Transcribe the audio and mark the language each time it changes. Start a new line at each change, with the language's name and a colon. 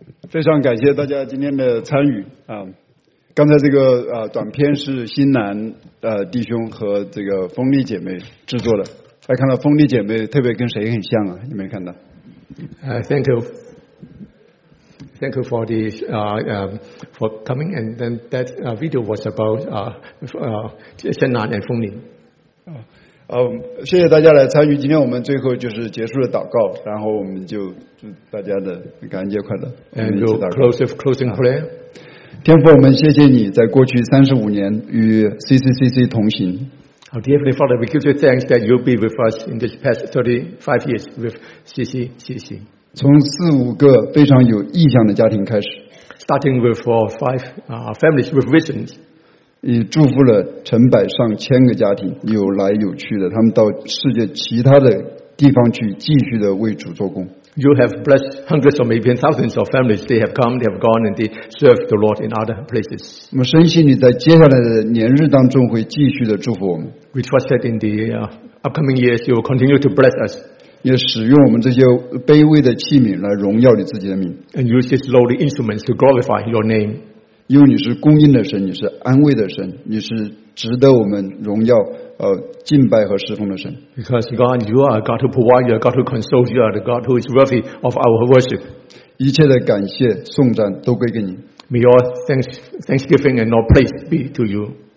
Chinese: 非常感谢大家今天的参与啊！刚才这个短片是新南弟兄和这个锋利姐妹制作的，还看到锋利姐妹特别跟谁很像啊？你没看到？
English: Thank you for the for coming, and then that video was about Xinnan and Fengli.
Chinese: 谢谢大家来参与。今天我们最后就是结束了祷告，然后我们就祝大家的感恩节快乐。
English: And your closing prayer.
Chinese: 天父，我们谢谢你在过去35年与 CCCC 同行。
English: Our dearly Father, we give you thanks that you'll be with us in this past 35 years with CCCC.
Chinese: 从4-5个非常有意向的家庭开始
English: ，starting with four five families with visions.
Chinese: 你祝福了成百上千个家庭，有来有去的，他们到世界其他的地方去继续的为主做工。
English: You have blessed hundreds or maybe thousands of families. They have come, they have gone, and they serve the Lord in other places.
Chinese: 我们深信你在接下来的年日当中会继续的祝福我们。
English: We trust that in the upcoming years, you will continue to bless us.
Chinese: 也使用我们这些卑微的器皿来荣耀你自己的名。
English: And use these lowly instruments to glorify your name.
Chinese: 因为你是供应的神，你是安慰的神，你是值得我们荣耀、敬拜和侍奉的神。
English: Because God, you are God who provides, you are God who consoles, you are the God who is worthy of our worship.
Chinese: 一切的感谢颂赞都归给你。
English: May all thanksgiving and all praise be to you.